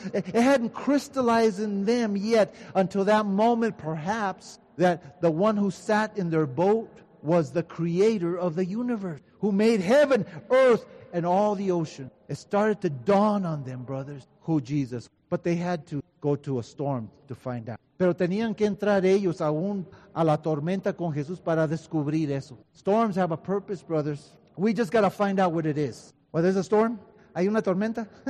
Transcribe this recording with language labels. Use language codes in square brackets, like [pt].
[en] It hadn't crystallized in them yet until that moment, perhaps, that the one who sat in their boat was the creator of the universe, who made heaven, earth, and all the ocean. It started to dawn on them, brothers, who Jesus. But they had to go to a storm to find out. [es] Pero tenían que entrar ellos aún a la tormenta con Jesús para descubrir eso. [en] Storms have a purpose, brothers. We just got to find out what it is. Well, there's a storm. [es] ¿Hay una tormenta?